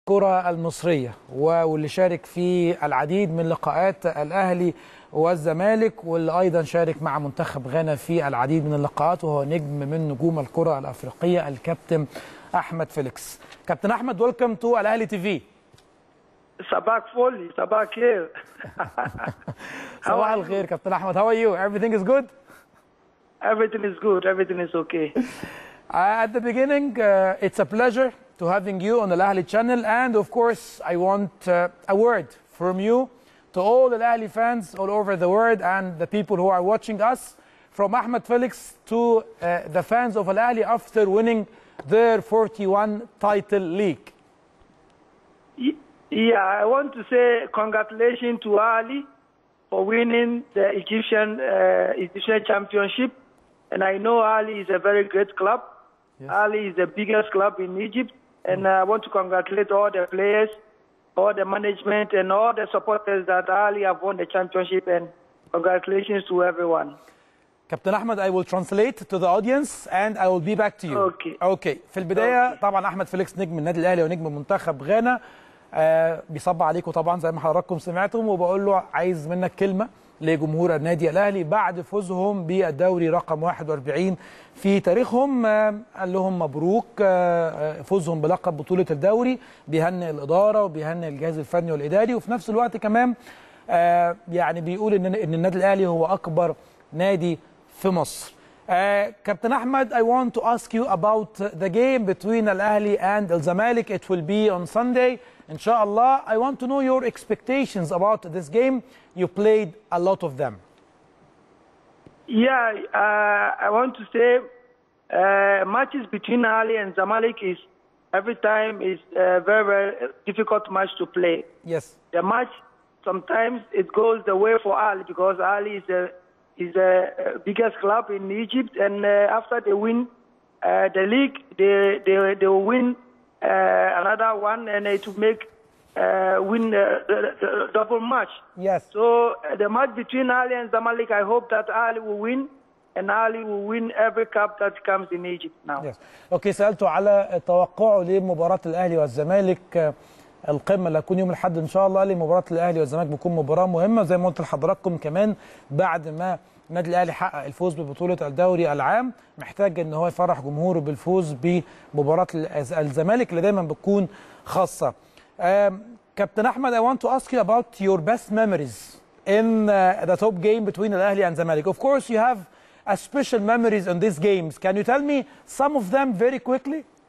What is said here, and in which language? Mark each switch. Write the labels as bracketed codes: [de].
[ar] الكرة المصرية، واللي شارك في العديد من لقاءات الأهلي والزمالك، واللي أيضا شارك مع منتخب غانا في العديد من اللقاءات، وهو نجم من نجوم الكرة الأفريقية الكابتن أحمد فيليكس. [en] Captain أحمد، welcome to الأهلي T V. [ar] صباحك فل، صباحك خير. صباح الخير [en] Captain أحمد، how you? everything is good؟ everything is good، everything is okay. At the beginning, it's a pleasure to having you on the Al-Ahli channel, and of course, I want a word from you to all the Al-Ahli fans all over the world and the people who are watching us, from Ahmed Felix to the fans of Al-Ahli after winning their 41 title league. Yeah, I want to say congratulations to Al-Ahli for winning the Egyptian championship, and I know Al-Ahli is a very great club. Yes. Ali is the biggest club in Egypt, and I want to congratulate all the players, all the management, and all the supporters that Ali have won the championship, and congratulations to everyone. Captain Ahmed, I will translate to the audience, and I will be back to you. Okay. [ar] في البداية طبعا أحمد فيليكس نجم النادي الأهلي ونجم منتخب غانا بيصب عليكم طبعا زي ما حضراتكم سمعتم، وبقول له عايز منك كلمة لجمهور النادي الأهلي بعد فوزهم بالدوري رقم 41 في تاريخهم. قال لهم مبروك فوزهم بلقب بطولة الدوري، بيهني الإدارة وبيهني الجهاز الفني والإداري، وفي نفس الوقت كمان يعني بيقول إن النادي الأهلي هو أكبر نادي في مصر. [en] Captain أحمد، I want to ask you about the game between الأهلي and الزمالك. It will be on Sunday. Inshallah, I want to know your expectations about this game. You played a lot of them. Yeah, I want to say matches between Ali and Zamalek is every time is a very, very difficult match to play. Yes. The match, sometimes it goes the way for Ali because Ali is the biggest club in Egypt. And after they win the league, they will win another one, and it will make win the double match. Yes. So the match between Ali and Zamalek, I hope that Ali will win, and Ali will win every cup that comes in Egypt now. Yes. Okay. [ar] سألته على توقعه لمباراة الأهلي والزمالك القمة اللي هتكون يوم الأحد إن شاء الله، لمباراة الأهلي والزمالك بتكون مباراة مهمة زي ما قلت لحضراتكم، كمان بعد ما النادي الأهلي حقق الفوز ببطولة الدوري العام محتاج إن هو يفرح جمهوره بالفوز بمباراة الزمالك اللي دايماً بتكون خاصة. [en] Captain أحمد، I want to ask you about your best memories in the top game between الأهلي and زمالك. Of course you have a special memories in these games. Can you tell me some of them very quickly?